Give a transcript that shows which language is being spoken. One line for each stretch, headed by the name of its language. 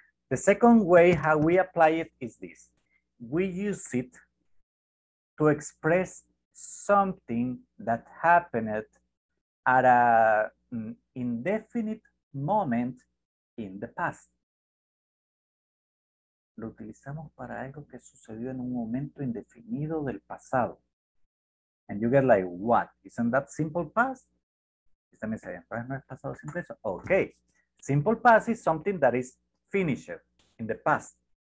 English: The second way how we apply it is this. We use it to express something that happened at a indefinite moment in the past.
Spanish: Lo utilizamos para algo que sucedió en un momento indefinido del pasado.
English: And you get like, what? Isn't that simple past?
Spanish: Esta me sería, ¿no es pasado simple eso?
English: Okay. Simple past is something that is finished in the past.